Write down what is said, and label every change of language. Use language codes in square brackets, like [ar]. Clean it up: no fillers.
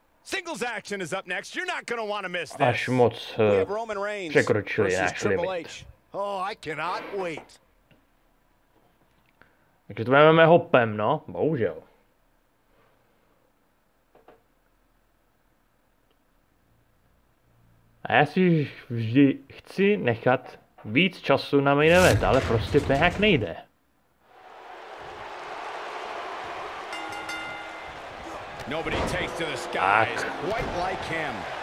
[en] singles action is up next. You're not going to want to miss [cs] this. Až moc překročili náš limit. [en] Oh, I cannot wait. [cs] Takže to máme hopem, no, bohužel. A já si vždy chci nechat víc času na main event, ale prostě to nějak nejde. [en] Nobody takes to the skies quite like him.